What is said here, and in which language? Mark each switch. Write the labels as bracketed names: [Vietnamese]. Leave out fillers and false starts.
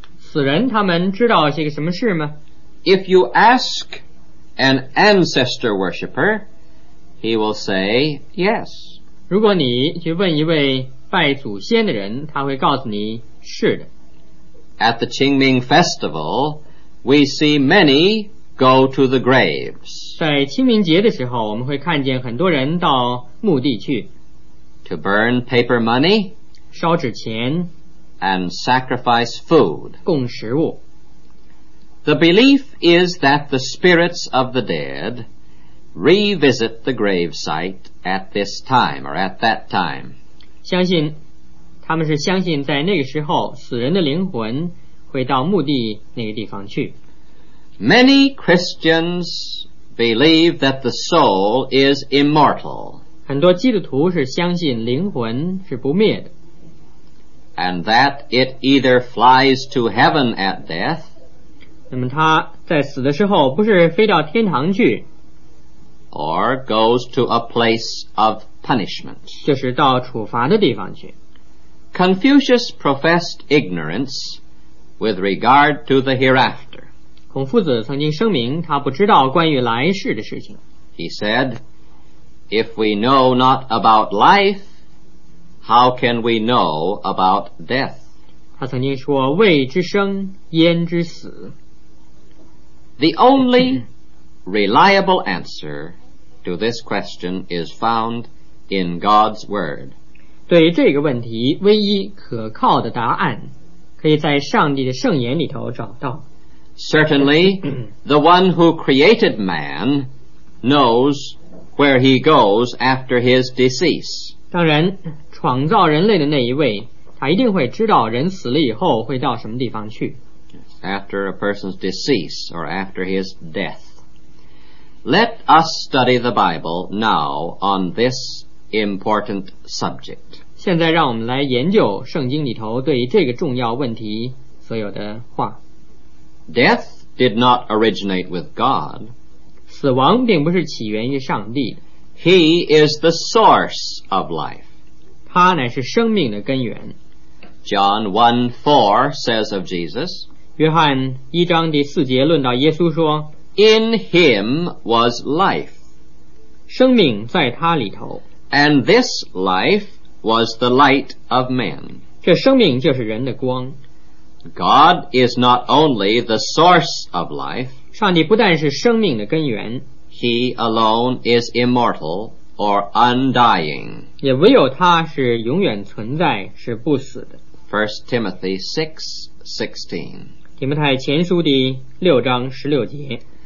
[Chinese] 死人他们知道些个什么事吗？ [English] If you ask an ancestor worshipper, he will say yes. [Chinese] 如果你去问一位拜祖先的人，他会告诉你是的。 [English] At the Qingming Festival, we see many go to the graves. [Chinese] 在清明节的时候，我们会看见很多人到墓地去。 [English] To burn paper money, [Chinese] 烧纸钱。 [English] And sacrifice food, [Chinese] 供食物。 [English] The belief is that the spirits of the dead revisit the grave site at this time or at that time. [Chinese] 相信他们是相信在那个时候死人的灵魂会到墓地那个地方去。 [English] Many Christians believe that the soul is immortal. [Chinese] 很多基督徒是相信灵魂是不灭的。 [English] And that it either flies to heaven at death, [Chinese] 那么他在死的时候不是飞到天堂去, [English] or goes to a place of punishment, [Chinese] 就是到处罚的地方去。 [English] Confucius professed ignorance with regard to the hereafter. [Chinese] 孔夫子曾经声明他不知道关于来世的事情。 [English] He said, If we know not about life, how can we know about death? [Chinese] 他曾经说未知生焉知死。 [English] The only reliable answer to this question is found in God's Word. [Chinese] 对这个问题唯一可靠的答案可以在上帝的圣言里头找到。 [English] Certainly, the one who created man knows where he goes after his decease. [Chinese] 当然，创造人类的那一位，他一定会知道人死了以后会到什么地方去。 [English] After a person's decease or after his death. Let us study the Bible now on this important subject. [Chinese] 现在让我们来研究圣经里头对于这个重要问题所有的话。 [English] Death did not originate with God. [Chinese] 死亡并不是起源于上帝。 [English] He is the source of life. [Chinese] 他乃是生命的根源。 [English] John 1:4 says of Jesus, [Chinese] 约翰一章第四节论到耶稣说, [English] In him was life. [Chinese] 生命在他里头。 [English] And this life was the light of men. [Chinese] 这生命就是人的光。 [English] God is not only the source of life, [Chinese] 上帝不但是生命的根源, [English] He alone is immortal or undying. [Chinese] 也唯有他是永远存在,是不死的。 [English] 1 Timothy 6:16. [Chinese] 提摩太前书第六章十六节。